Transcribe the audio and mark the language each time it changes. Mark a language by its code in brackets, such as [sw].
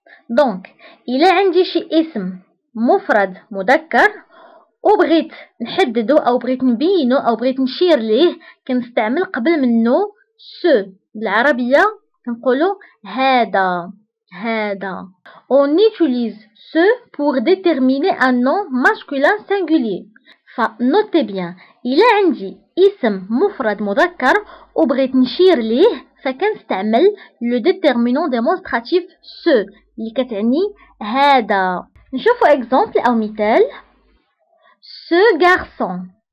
[ar] دونك الى عندي شي اسم مفرد مذكر وبغيت نحددو او بغيت نبينو او بغيت نشير ليه كنستعمل قبل منه سو. بالعربيه كنقولو هذا هذا. [fr] On utilise ce pour déterminer un nom masculin singulier. [ar] فنوتي بيان, الى عندي اسم مفرد مذكر وبغيت نشير ليه فكنستعمل لو ديتيرمينون ديمونستراتيف سو اللي كتعني هذا. نشوفو اكزومبل او مثال. سو غارسون.